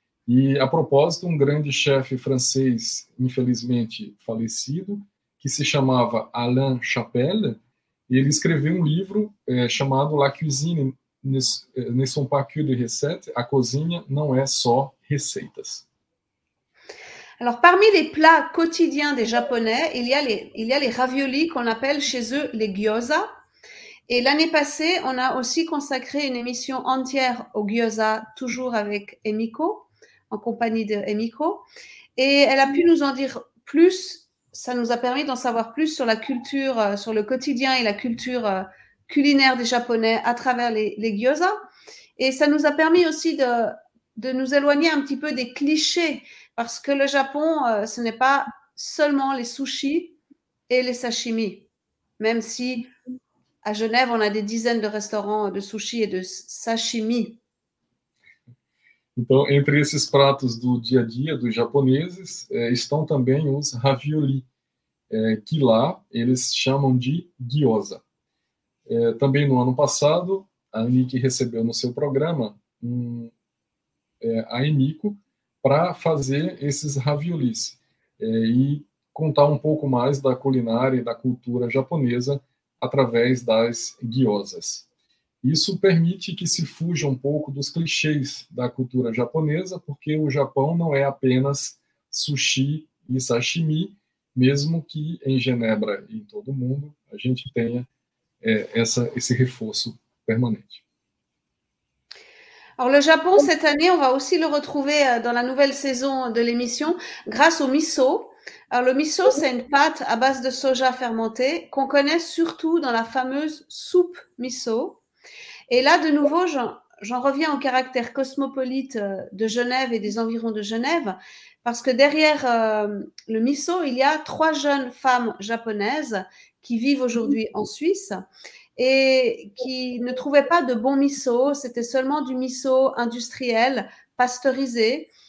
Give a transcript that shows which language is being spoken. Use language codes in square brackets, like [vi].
[pt] E, a propósito, um grande chefe francês, infelizmente falecido, que se chamava Alain Chapelle, e ele escreveu um livro chamado [fr] La cuisine ne sont pas que des recettes, [pt] a cozinha não é só receitas. [fr] Alors, parmi les plats quotidiens des Japonais, il y a les raviolis qu'on appelle chez eux les gyoza. Et l'année passée, on a aussi consacré une émission entière aux gyoza, toujours avec Emiko, en compagnie de Emiko. Et elle a pu nous en dire plus. Ça nous a permis d'en savoir plus sur la culture, sur le quotidien et la culture culinaire des Japonais à travers les gyoza. Et ça nous a permis aussi de nous éloigner un petit peu des clichés, parce que le Japon, ce n'est pas seulement les sushis et les sashimi, même si à Genève, on a des dizaines de restaurants de sushis et de sashimi. [pt] Então, entre esses pratos do dia a dia dos japoneses, estão também os ravioli, que lá eles chamam de gyoza. Também no ano passado, a Nick recebeu no seu programa a Emiko para fazer esses raviolis e contar um pouco mais da culinária e da cultura japonesa através das gyozas. Isso permite que se fuja um pouco dos clichês da cultura japonesa, porque o Japão não é apenas sushi e sashimi, mesmo que em Genebra e em todo o mundo a gente tenha esse reforço permanente. [fr] Alors, le Japon, cette année, on va aussi le retrouver dans la nouvelle saison de l'émission grâce au miso. Alors, le miso, c'est une pâte à base de soja fermenté qu'on connaît surtout dans la fameuse soupe miso. Et là, de nouveau, j'en reviens au caractère cosmopolite de Genève et des environs de Genève, parce que derrière le miso, il y a trois jeunes femmes japonaises qui vivent aujourd'hui en Suisse et qui ne trouvaient pas de bon miso, c'était seulement du miso industriel, pasteurisé.